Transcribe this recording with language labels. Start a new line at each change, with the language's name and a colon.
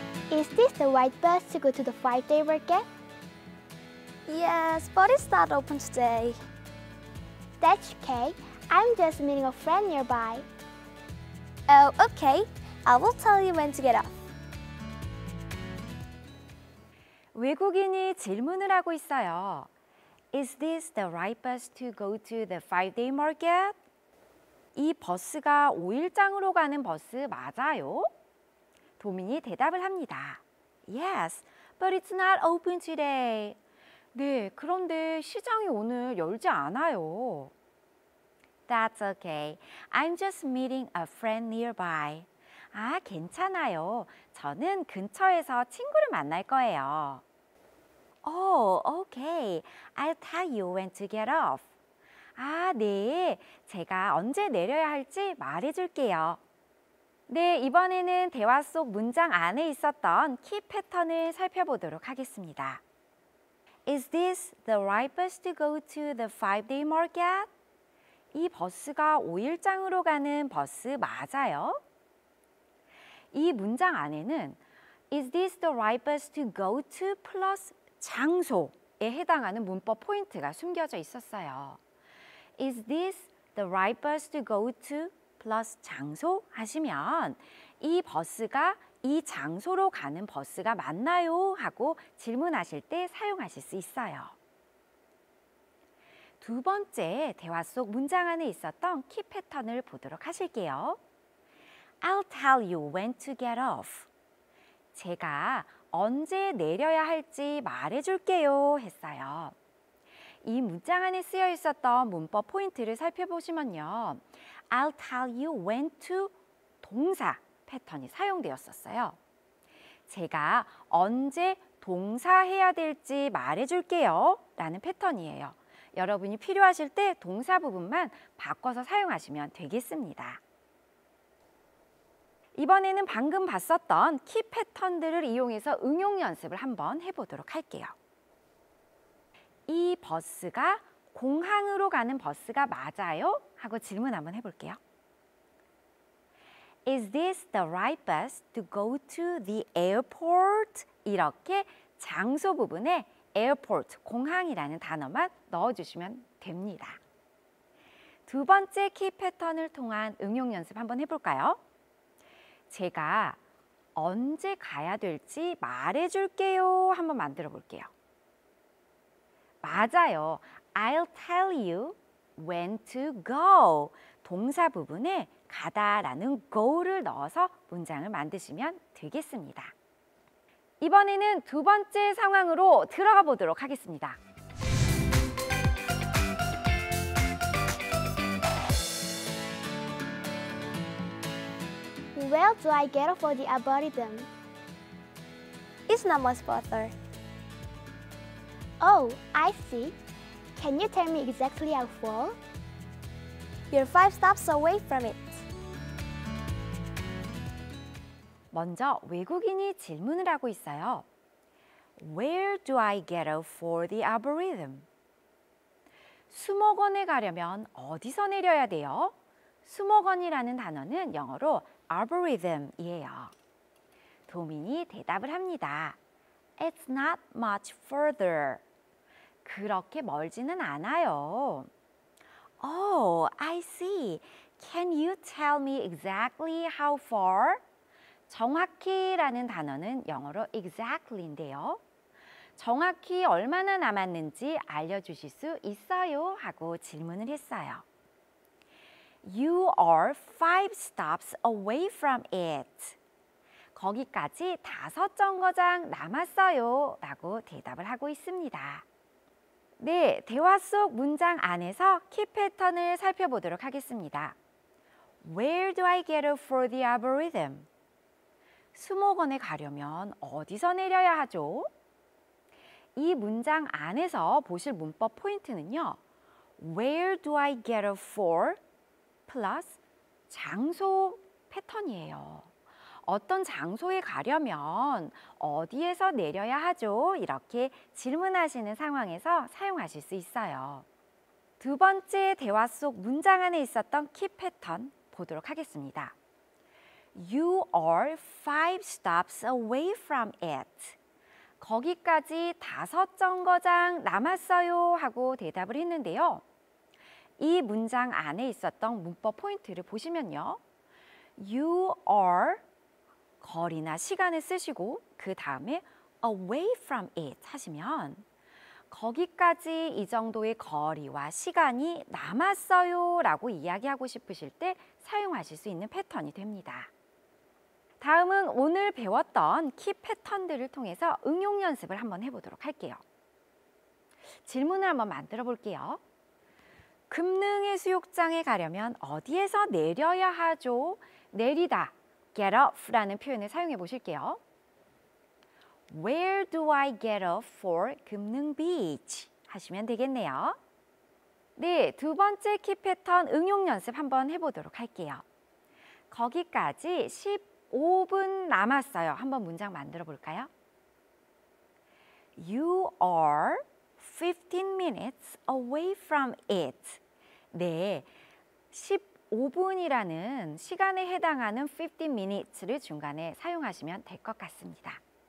English: Is this the right bus to go to the five-day market? Yes, but it's not open today. That's okay. I'm just meeting a friend nearby. Oh, okay. I will tell you when to get off.
Korean: 외국인이 질문을 하고 있어요.
English: Is this the right bus to go to the five-day market?
Korean: 이 버스가 5일장으로 가는 버스 맞아요? 도민이 대답을 합니다.
English: Yes, but it's not open today.
Korean: 네, 그런데 시장이 오늘 열지 않아요.
English: That's okay. I'm just meeting a friend nearby.
Korean: 아, 괜찮아요. 저는 근처에서 친구를 만날 거예요.
English: Oh, okay. I'll tell you when to get off.
Korean: 아, 네. 제가 언제 내려야 할지 말해줄게요. 네, 이번에는 대화 속 문장 안에 있었던 키 패턴을 살펴보도록 하겠습니다.
English: Is this the right bus to go to the five-day market?
Korean: 이 버스가 5일장으로 가는 버스 맞아요? 이 문장 안에는
English: Is this the right bus to go to plus
Korean: 장소에 해당하는 문법 포인트가 숨겨져 있었어요.
English: Is this the right bus to go to plus
Korean: 장소 하시면 이 버스가 이 장소로 가는 버스가 맞나요? 하고 질문하실 때 사용하실 수 있어요. 두 번째 대화 속 문장 안에 있었던 키 패턴을 보도록 하실게요. I'll tell you when to get off. 제가 언제 내려야 할지 말해줄게요 했어요. 이 문장 안에 쓰여 있었던 문법 포인트를 살펴보시면요.
English: I'll tell you when to
Korean: 동사 패턴이 사용되었었어요. 제가 언제 동사해야 될지 말해줄게요 라는 패턴이에요. 여러분이 필요하실 때 동사 부분만 바꿔서 사용하시면 되겠습니다. 이번에는 방금 봤었던 키 패턴들을 이용해서 응용 연습을 한번 해보도록 할게요. 이 버스가 공항으로 가는 버스가 맞아요? 하고 질문 한번 해볼게요.
English: Is this the right bus to go to the airport?
Korean: 이렇게 장소 부분에 Airport, 공항이라는 단어만 넣어주시면 됩니다. 두 번째 키 패턴을 통한 응용 연습 한번 해볼까요? 제가 언제 가야 될지 말해줄게요. 한번 만들어 볼게요. 맞아요.
English: I'll tell you when to go.
Korean: 동사 부분에 가다 라는 go를 넣어서 문장을 만드시면 되겠습니다. 이번에는 두 번째 상황으로 들어가 보도록 하겠습니다.
English: Where do I get off for the arboretum? It's not much further. Oh, I see. Can you tell me exactly how far? You're five stops away from it.
Korean: 먼저 외국인이 질문을 하고 있어요.
English: Where do I get off for the arboretum?
Korean: 수목원에 가려면 어디서 내려야 돼요? 수목원이라는 단어는 영어로 arboretum이에요. 도민이 대답을 합니다.
English: It's not much further.
Korean: 그렇게 멀지는 않아요.
English: Oh, I see. Can you tell me exactly how far?
Korean: 정확히라는 단어는 영어로 exactly인데요. 정확히 얼마나 남았는지 알려주실 수 있어요? 하고 질문을 했어요.
English: You are five stops away from it.
Korean: 거기까지 다섯 정거장 남았어요. 라고 대답을 하고 있습니다. 네, 대화 속 문장 안에서 키 패턴을 살펴보도록 하겠습니다.
English: Where do I get off for the arboretum?
Korean: 수목원에 가려면 어디서 내려야 하죠? 이 문장 안에서 보실 문법 포인트는요.
English: Where do I get off for? plus
Korean: 장소 패턴이에요. 어떤 장소에 가려면 어디에서 내려야 하죠? 이렇게 질문하시는 상황에서 사용하실 수 있어요. 두 번째 대화 속 문장 안에 있었던 키 패턴 보도록 하겠습니다.
English: You are five stops away from it.
Korean: 거기까지 다섯 정거장 남았어요 하고 대답을 했는데요. 이 문장 안에 있었던 문법 포인트를 보시면요.
English: You are
Korean: 거리나 시간을 쓰시고 그 다음에
English: away from it
Korean: 하시면 거기까지 이 정도의 거리와 시간이 남았어요 라고 이야기하고 싶으실 때 사용하실 수 있는 패턴이 됩니다. 다음은 오늘 배웠던 키 패턴들을 통해서 응용 연습을 한번 해보도록 할게요. 질문을 한번 만들어 볼게요. 금능해수욕장에 가려면 어디에서 내려야 하죠? 내리다,
English: get off
Korean: 라는 표현을 사용해 보실게요.
English: Where do I get off for 금능 beach?
Korean: 하시면 되겠네요. 네, 두 번째 키 패턴 응용 연습 한번 해보도록 할게요. 거기까지 15분 남았어요. 한번 문장 만들어 볼까요?
English: You are 15 minutes away from it.
Korean: 네, 15분이라는 시간에 해당하는
English: 15 minutes
Korean: 를 중간에 사용하시면 될 것 같습니다.